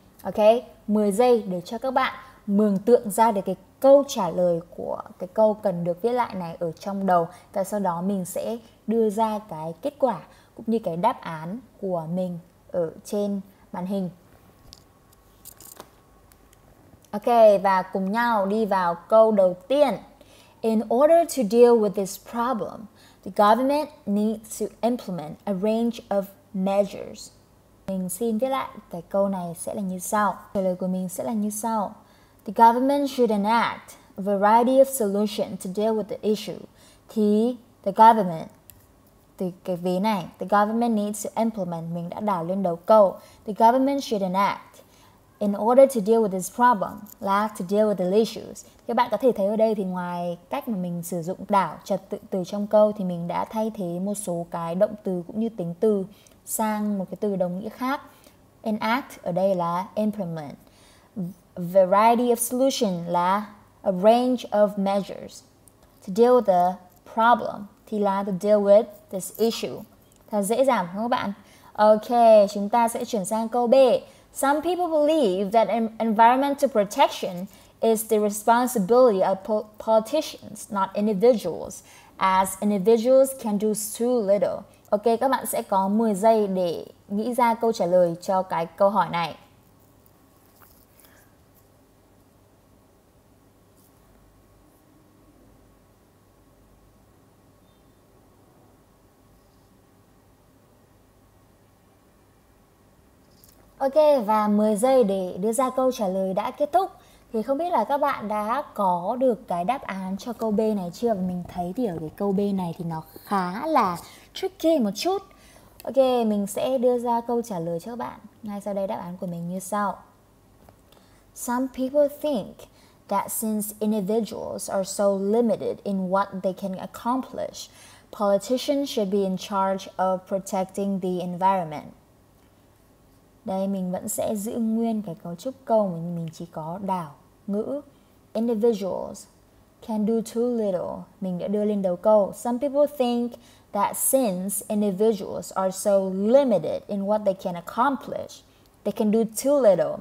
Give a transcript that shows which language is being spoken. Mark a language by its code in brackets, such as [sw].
[vi] Ok, 10 giây để cho các bạn mường tượng ra được cái câu trả lời của cái câu cần được viết lại này ở trong đầu, và sau đó mình sẽ đưa ra cái kết quả cũng như cái đáp án của mình ở trên màn hình. Ok, và cùng nhau đi vào câu đầu tiên. [en] In order to deal with this problem, the government needs to implement a range of measures. [vi] Mình xin viết lại cái câu này sẽ là như sau. Câu lời của mình sẽ là như sau: [en] The government should enact a variety of solutions to deal with the issue. [vi] Thì the government, thì cái vế này, [en] the government needs to implement, [vi] mình đã đảo lên đầu câu. [en] The government should enact, in order to deal with this problem, là to deal with the issues. [vi] Các bạn có thể thấy ở đây thì ngoài cách mà mình sử dụng đảo trật tự từ trong câu, thì mình đã thay thế một số cái động từ cũng như tính từ sang một cái từ đồng nghĩa khác. Enact ở đây là implement. [en] Variety of solution là a range of measures. To deal with the problem thì là to deal with this issue. [vi] Thật dễ dàng không các bạn? Ok, chúng ta sẽ chuyển sang câu B. [en] Some people believe that environmental protection is the responsibility of politicians, not individuals, as individuals can do too little. [vi] Ok, các bạn sẽ có 10 giây để nghĩ ra câu trả lời cho cái câu hỏi này. Ok, và 10 giây để đưa ra câu trả lời đã kết thúc. Thì không biết là các bạn đã có được cái đáp án cho câu B này chưa? Mình thấy thì ở cái câu B này thì nó khá là tricky một chút. Ok, mình sẽ đưa ra câu trả lời cho các bạn. Ngay sau đây đáp án của mình như sau. [en] Some people think that since individuals are so limited in what they can accomplish, politicians should be in charge of protecting the environment. [vi] Đây, mình vẫn sẽ giữ nguyên cái cấu trúc câu mà mình chỉ có đảo ngữ. [en] Individuals can do too little. [vi] Mình đã đưa lên đầu câu. [en] Some people think that since individuals are so limited in what they can accomplish, they can do too little.